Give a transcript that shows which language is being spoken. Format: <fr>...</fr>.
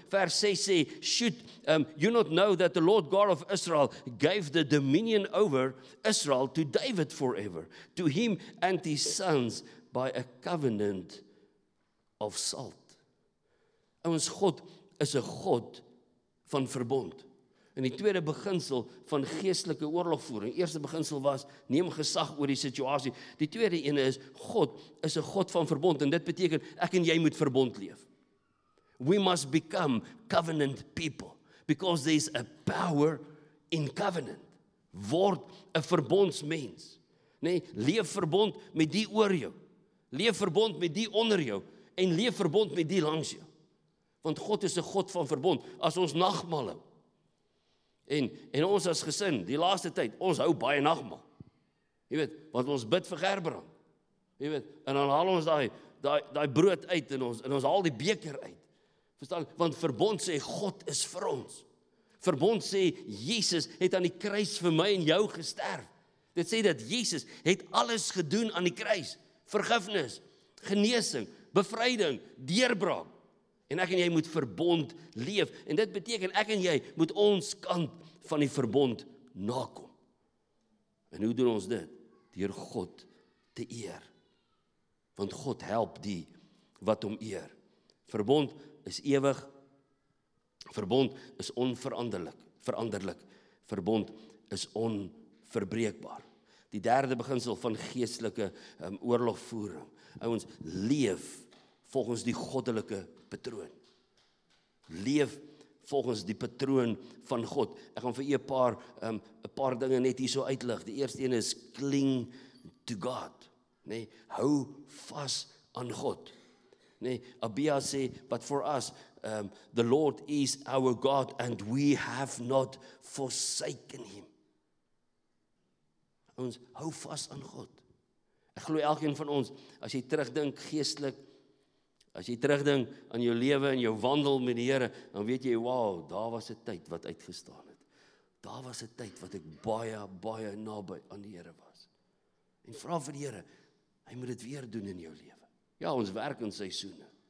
<af>Vers 6 sê,</af> <en>should you not know that the Lord God of Israel gave the dominion over Israel to David forever, to him and his sons by a covenant of salt.</en> <af>Ons God is 'n God van verbond. En die tweede beginsel van geestelike oorlogvoering, eerste beginsel was, neem gesag oor die situasie. Die tweede ene is, God is 'n God van verbond, en dit beteken, ek en jy moet verbond leef.</af> <en>We must become covenant people, because there is a power in covenant.</en> <af>Word 'n verbondsmens. Nee, leef verbond met die oor jou. Leef verbond met die onder jou. En leef verbond met die langs jou. Want God is 'n God van verbond. As ons nagmaal hou, En ons as gesin, die laaste tyd, ons hou baie nagmaal. Jy weet, want ons bid vir Gerbrand. Jy weet, en dan haal ons daai brood uit en ons haal die beker uit. Verstaan? Want verbond sê, God is vir ons. Verbond sê, Jesus het aan die kruis vir my en jou gesterf. Dit sê dat Jesus het alles gedoen aan die kruis. Vergifnis, genesing, bevryding, deurbraak. En ek en jy moet verbond leef. En dit beteken, ek en jy moet ons kant van die verbond nakom. En hoe doen ons dit? Deur God te eer. Want God help die wat hom eer. Verbond is ewig. Verbond is onveranderlik. Veranderlik. Verbond is onverbreekbaar. Die derde beginsel van geestelike oorlogvoering. Ouens, leef volgens die goddelike patroon. Leef volgens die patroon van God. Ek gaan vir u paar dinge net hierso uitlig. Die eerste een is</af> <en>cling to God.</en> <af>Nee, hou vas aan God. Nee, Abia sê,</af> <en>but for us, the Lord is our God and we have not forsaken him.</en> <af>Ons hou vas aan God. Ek glo elkeen van ons, as jy terugdink geestelik, as jy terugdink aan jou lewe en jou wandel met die Here, dan weet jy, wow, daar was 'n tyd wat uitgestaan het. Daar was 'n tyd wat ek baie, baie naby aan die Here was. En vra vir die Here, hy moet dit weer doen in jou lewe. Ja, ons werk in seisoene.</af>